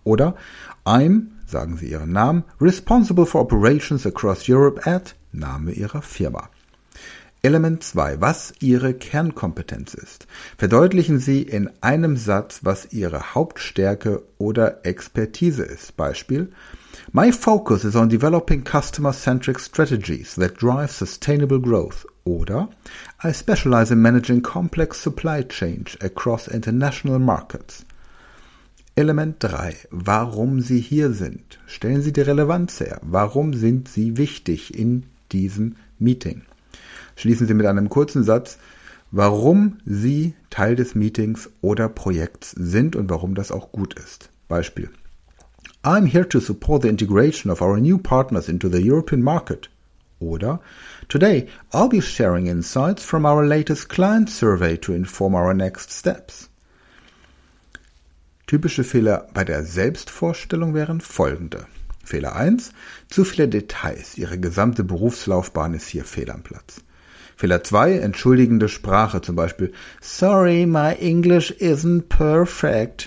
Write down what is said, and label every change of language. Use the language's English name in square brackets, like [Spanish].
[German] Oder, I'm, sagen Sie Ihren Namen, [English] responsible for operations across Europe at, [German] Name Ihrer Firma. Element 2, was Ihre Kernkompetenz ist. Verdeutlichen Sie in einem Satz, was Ihre Hauptstärke oder Expertise ist. [English] Beispiel, my focus is on developing customer-centric strategies that drive sustainable growth. Oder, I specialize in managing complex supply chains across international markets. [German] Element 3, warum Sie hier sind. Stellen Sie die Relevanz her. Warum sind Sie wichtig in diesem Meeting? Schließen Sie mit einem kurzen Satz, warum Sie Teil des Meetings oder Projekts sind und warum das auch gut ist. [English] Beispiel, I'm here to support the integration of our new partners into the European market. Oder, today I'll be sharing insights from our latest client survey to inform our next steps. [German] Typische Fehler bei der Selbstvorstellung wären folgende. Fehler 1, zu viele Details. Ihre gesamte Berufslaufbahn ist hier fehl am Platz. Fehler 2, entschuldigende Sprache, zum Beispiel, [English] sorry, my English isn't perfect.